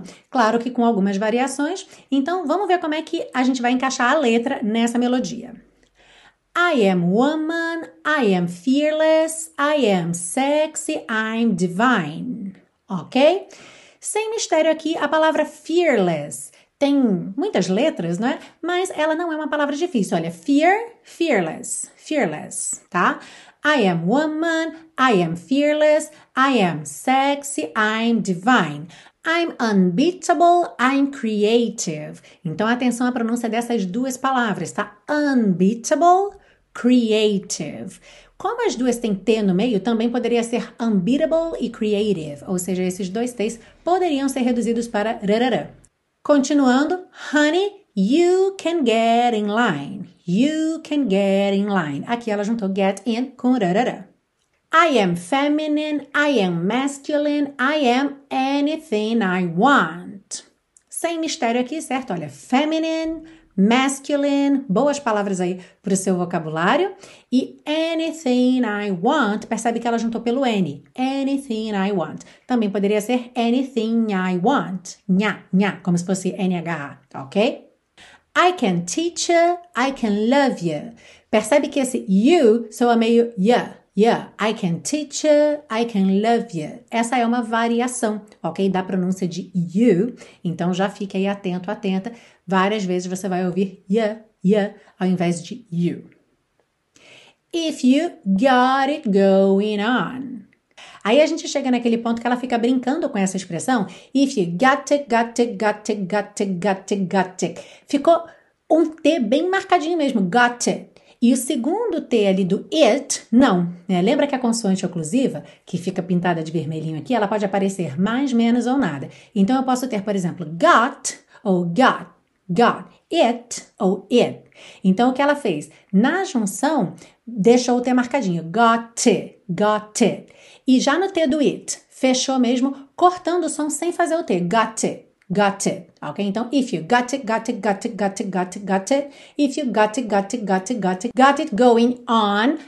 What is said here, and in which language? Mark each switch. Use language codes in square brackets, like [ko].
[pt] Claro que com algumas variações. Então, vamos ver como é que a gente vai encaixar a letra nessa melodia. [en] I am woman, I am fearless, I am sexy, I'm divine. Ok? [pt] Sem mistério aqui, a palavra fearless tem muitas letras, não é? Mas ela não é uma palavra difícil. Olha, fear, fearless, fearless, tá? [en] I am woman, I am fearless, I am sexy, I'm divine. I'm unbeatable, I'm creative. [pt] Então, atenção à pronúncia dessas duas palavras, tá? Unbeatable, creative. Como as duas têm T no meio, também poderia ser unbeatable e creative. Ou seja, esses dois T's poderiam ser reduzidos para rarara. [en] Continuando, honey, you can get in line. You can get in line. [pt] Aqui ela juntou get in com rarara. [en] I am feminine, I am masculine, I am anything I want. [pt] Sem mistério aqui, certo? Olha, feminine, masculine, boas palavras aí para o seu vocabulário. E anything I want, percebe que ela juntou pelo N. [en] Anything I want. [pt] Também poderia ser [en] anything I want. [pt] Nha, nha, como se fosse NH, ok? [en] I can teach you, I can love you. [pt] Percebe que esse you soa meio ya, ya. [en] I can teach you, I can love you. [pt] Essa é uma variação, ok? Da pronúncia de you. Então já fique aí atento, atenta. Várias vezes você vai ouvir ya, ya, ao invés de you. [en] If you got it going on. [pt] Aí a gente chega naquele ponto que ela fica brincando com essa expressão. [en] If you got it, got it, got it, got it, got it, got it. [pt] Ficou um T bem marcadinho mesmo, got it. E o segundo T ali do it, não. Né? Lembra que a consoante oclusiva, que fica pintada de vermelhinho aqui, ela pode aparecer mais, menos ou nada. Então eu posso ter, por exemplo, got ou got, got, it ou it. Então o que ela fez? Na junção, deixou o T marcadinho, got it, got it. E já no T do it, fechou mesmo, cortando o som sem fazer o T, got it. [en] Got it, ok? Então, if you got it, got it, got it, got it, got it, got it, if you got it, got it, got it, got it, got it going on.